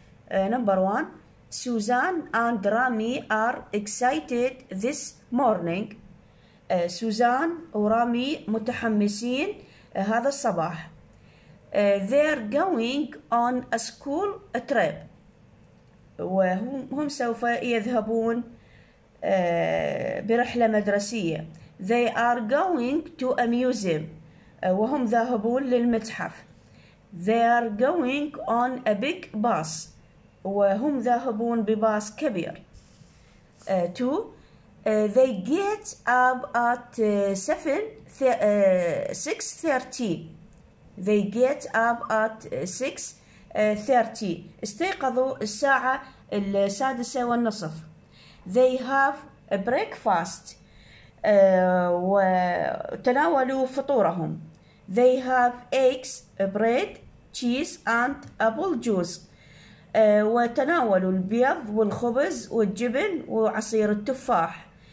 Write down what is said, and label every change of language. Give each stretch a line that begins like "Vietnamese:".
English: Number one, Susan and Rami are excited this morning.
Arabic: Susan ورامي متحمسين هذا الصباح.
English: They're going on a school trip.
Arabic: وهم سوف يذهبون برحلة مدرسية.
English: They are going to a museum.
Arabic: وهم ذاهبون للمتحف.
English: They are going on a big bus.
Arabic: وهم ذاهبون بباص كبير.
English: Two. They get up at 6:30. They get up at 6:30.
Arabic: استيقظوا الساعة 6:30.
English: They have a breakfast.
Arabic: وتناولوا فطورهم.
English: They have eggs, bread, cheese, and apple juice.
Arabic: وتناولوا البيض والخبز والجبن وعصير التفاح.